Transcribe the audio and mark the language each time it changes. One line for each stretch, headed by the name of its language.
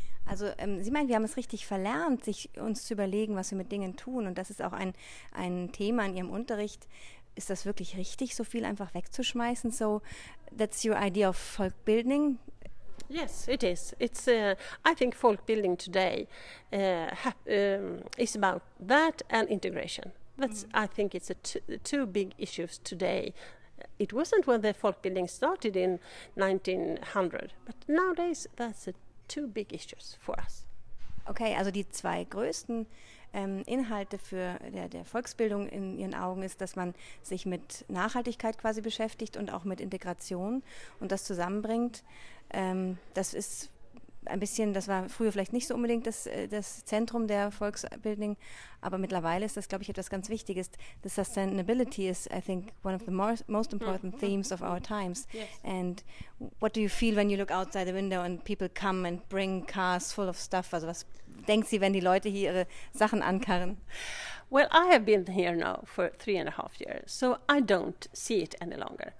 German: Also, sie meint, wir haben es richtig verlernt, sich uns zu überlegen, was wir mit Dingen tun. Und das ist auch ein Thema in ihrem Unterricht. Ist das wirklich richtig, so viel einfach wegzuschmeißen?
English: So, that's your idea of folk building? Yes, it is. It's. I think folk building today is about that and integration. That's. I think it's a two big issues today. It wasn't when the folk building started in 1900, but nowadays that's a two big issues for us.
German: Okay, also die zwei größten Inhalte für der Volksbildung in Ihren Augen ist, dass man sich mit Nachhaltigkeit quasi beschäftigt und auch mit Integration und das zusammenbringt. Das ist ein bisschen, das war früher vielleicht nicht so unbedingt das Zentrum der Volksbildung, aber mittlerweile ist das, glaube ich, etwas ganz Wichtiges.
English: The sustainability is, I think, one of the most important themes of our times. Yes. And what do you feel when you look outside the window and people come and bring cars full of stuff?
German: Also was denkt sie, wenn die Leute hier ihre Sachen ankarren?
English: Well, I have been here now for 3.5 years, so I don't see it any longer.